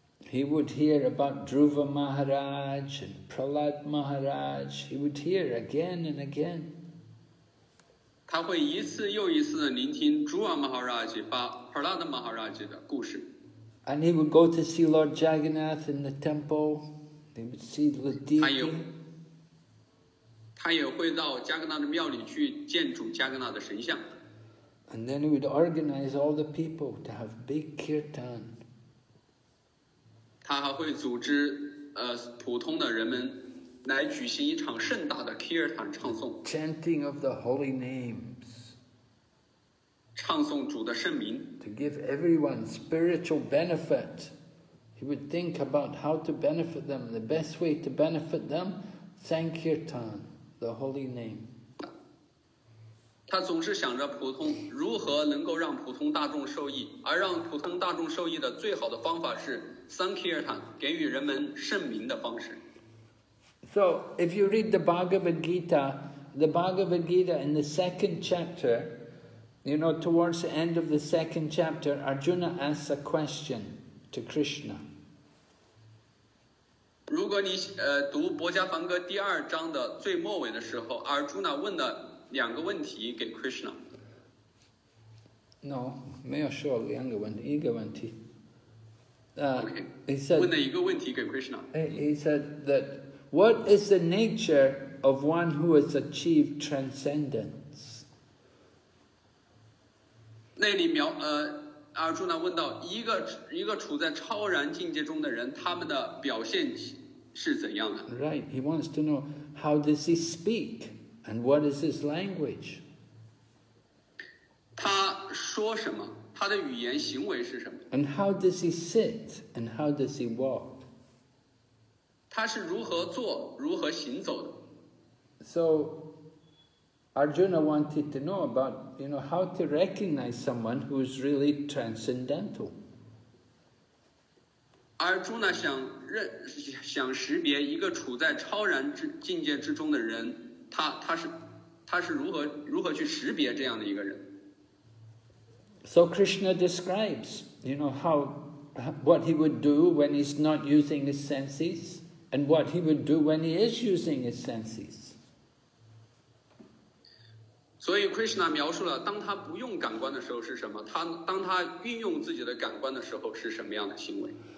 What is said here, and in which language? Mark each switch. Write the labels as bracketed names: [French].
[English] He would hear about Dhruva Maharaj and Prahlad Maharaj. He would hear again and again. [Chinese] 他会一次又一次地聆听 Dhruva Maharaj 和 Prahlad Maharaj 的故事。 [English] And he would go to see Lord Jagannath in the temple. He would see the deity. [Chinese] 他也会到加格纳的庙里去见主加格纳的神像。 [English] And then he would organize all the people to have big kirtan. [Chinese] 他还会组织普通的人们来举行一场盛大的 kirtan 唱诵。 [English] Chanting of the holy names. [Chinese] 唱诵主的圣名。 [English] To give everyone spiritual benefit. He would think about how to benefit them, the best way to benefit them, sankirtan, the holy name. [Chinese] 他总是想着普通如何能够让普通大众受益，而让普通大众受益的最好的方法是 Sankirtan， 给予人们圣名的方式。 [English] So if you read the Bhagavad Gita, the Bhagavad Gita in the second chapter, you know, towards the end of the second chapter, Arjuna asks a question to Krishna. [Chinese] 如果你读《薄伽梵歌》第二章的最末尾的时候，阿尔朱纳问的。两个问题给 Krishna。 [English] No， [Chinese] 没有说两个问题，一个问题。 [English] Okay. He said, [Chinese] 问了一个问题给 Krishna。 [English] He said that what is the nature of one who has achieved transcendence？ [Chinese] 那里描阿尔朱纳问到一个处在超然境界中的人，他们的表现是怎样的 [English] ？Right. He wants to know how does he speak。 And what is his language? [Chinese] 他说什么？他的语言行为是什么 [English] ？And how does he sit? And how does he walk? [Chinese] 他是如何坐，如何行走的 [English] ？So Arjuna wanted to know about, you know, how to recognize someone who is really transcendental. [Chinese] Arjuna 想识别一个处在超然之境界之中的人。他是如何去识别这样的一个人 [English] ？So Krishna describes, you know, how what he would do when he's not using his senses, and what he would do when he is using his senses. [Chinese] 所以 Krishna 描述了当他不用感官的时候是什么，当他运用自己的感官的时候是什么样的行为